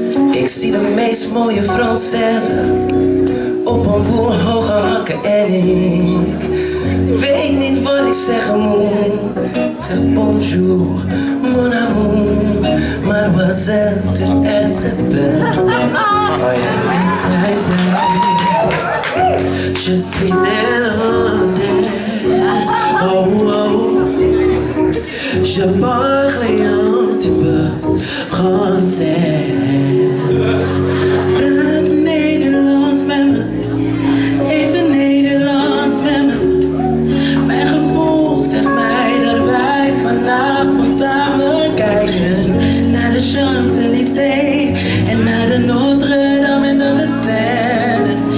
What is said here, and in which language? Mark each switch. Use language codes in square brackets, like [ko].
[nl] Ik zie de meest mooie Française op een boel hoge hakken en ik weet niet wat ik zeggen moet. Zeg [fr] bonjour, mon amour, mademoiselle, tu es très belle. [nl] En zij zei, [fr] je suis [nl] Nederlandse. Oh, oh. [fr] Je parle un petit peu français. [nl] Praat Nederlands met me, even Nederlands met me. Mijn gevoel zegt mij dat wij vanavond samen kijken naar de Champs-Élysées en naar de Notre-Dame en dan de Seine.